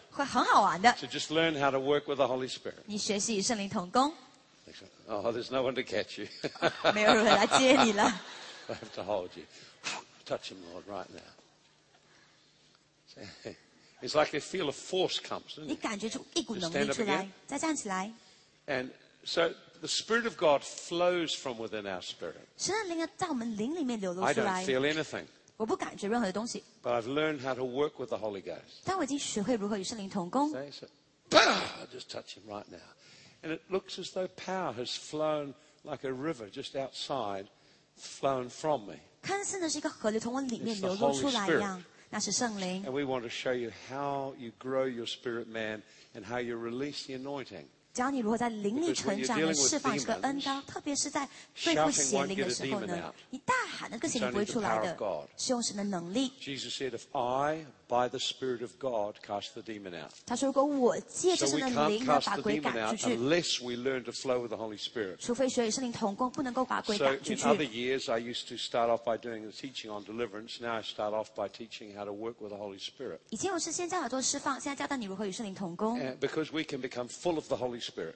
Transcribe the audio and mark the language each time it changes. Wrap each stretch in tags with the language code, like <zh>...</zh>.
<zh>会很好玩的。</zh> <en>So just learn how to work with the Holy Spirit.</en> <zh>你学习与圣灵同工。</zh> <en>Oh, there's no one to catch you.</en> <zh>没有人来接你了。</zh> <en>I have to hold you. Touch him, Lord, right now. It's like you feel a force comes, isn't it?</en> <zh>你感觉出一股能力出来，再站起来。</zh> <en>And so the Spirit of God flows from within our spirit.</en> <zh>神的灵在我们灵里面流露出来。</zh> <en>I don't feel anything.</en> <zh>我不感觉任何的东西。</zh> <en>But I've learned how to work with the Holy Ghost.</en> <zh>但我已经学会如何与圣灵同工。</zh> <en>Just touch him right now. And it looks as though power has flown like a river just outside, flown from me.</en> <zh>看似呢是一个河流从我里面流露出来一样，那是圣灵。</zh> <en>And we want to show you how you grow your spirit man and how you release the anointing.</en> <zh>教你如何在灵里成长和释放这个恩膏，特别是在对付邪灵的时候呢，你大喊那个邪灵不会出来的，是用神的能力。</zh> <en>Jesus said, "If I by the Spirit of God cast the demon out."</en> <zh>他说如果我借着神的灵把鬼赶出去</zh> <en>，unless we learn to flow with the Holy Spirit.</en> <zh>除非学与圣灵同工，不能够把鬼赶出去。</zh> <en>So in other years, I used to start off by doing the teaching on deliverance. Now I start off by teaching how to work with the Holy Spirit.</en> <zh>以前我是先教耳朵释放，现在教导你如何与圣灵同工。</zh> <en>Because we can become full of the Holy Spirit.</en>